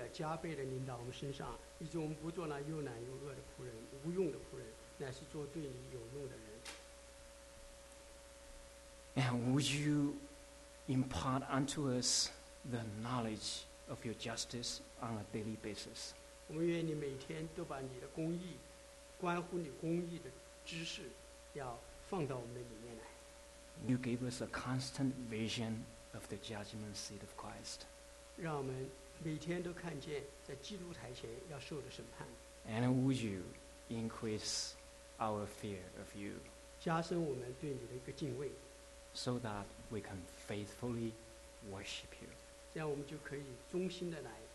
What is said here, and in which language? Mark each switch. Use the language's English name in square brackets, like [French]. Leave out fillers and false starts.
[Chinese] 我们求你把你的连续双倍的加倍的领到我们身上, 以致我们不做那又懒又恶的仆人, 无用的仆人, 乃是做对你有用的人。 [English] And would you impart unto us the knowledge of your justice on a daily basis? [Chinese] 我们愿你每天都把你的公义，关乎你公义的知识，要放到我们的里面来。 [English] You gave us a constant vision of the judgment seat of Christ. [Chinese] 让我们每天都看见在基督台前要受的审判。 [English] And would you increase our fear of you? [Chinese] 加深我们对你的一个敬畏。 [English] So that we can faithfully worship you. [Chinese] 这样我们就可以忠心的来。